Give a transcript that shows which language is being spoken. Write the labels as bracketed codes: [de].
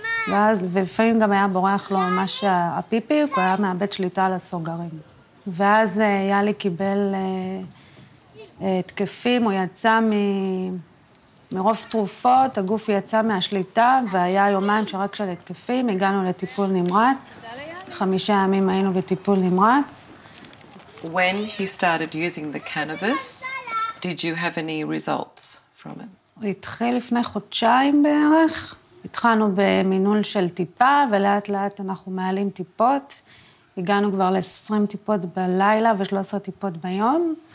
[he] ואז, ולפעמים גם היה בורח לו ממש הפיפי, הוא היה מאבד שליטה על הסוגרים. ואז יאלי קיבל תקפים, הוא יצא מרוב תרופות, הגוף יצא מהשליטה, והיה יומיים שרק של התקפים, הגענו לטיפול נמרץ. 5 ימים היינו בטיפול נמרץ. [en] When he started using the cannabis, did you have any results from it? [he] הוא התחיל לפני חודשיים בערך. התחלנו במינול של טיפה, ולאט לאט אנחנו מעלים טיפות. הגענו כבר ל-20 טיפות בלילה ו-13 טיפות ביום.